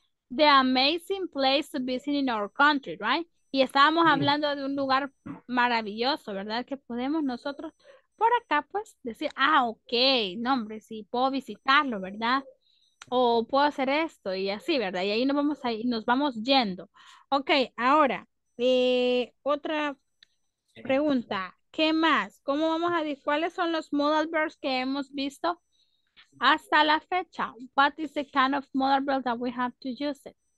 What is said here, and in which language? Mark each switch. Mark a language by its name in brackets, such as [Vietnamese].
[English] The amazing place to visit in our country, right? [Spanish] Y estábamos hablando de un lugar maravilloso, ¿verdad? Que podemos nosotros por acá, pues, decir, okay, no, hombre, sí, puedo visitarlo, ¿verdad? O puedo hacer esto y así, ¿verdad? Y ahí nos vamos yendo. Ok, ahora, otra pregunta. ¿Qué más? ¿Cómo vamos a decir? ¿Cuáles son los modal verbs que hemos visto hasta la fecha? [English] What is the kind of modal verb that we have to use it?